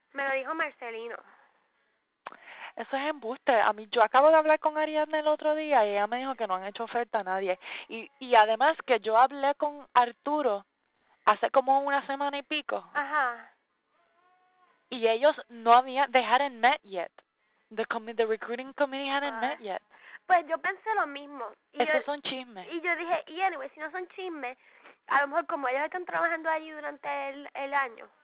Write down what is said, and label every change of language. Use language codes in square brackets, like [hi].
[es] Me lo dijo Marcelino. Eso es embuste. A mí, yo acabo de hablar con Ariadne el otro día y ella me dijo que no han hecho oferta a nadie. Y además que yo hablé con Arturo hace como una semana y pico. Ajá. Y ellos no habían, [en] they hadn't met yet. The recruiting committee hadn't met yet. [es] Pues yo pensé lo mismo. Y Esos son chismes. yo dije, y anyway, si no son chismes, a lo mejor como ellos están trabajando allí durante el año,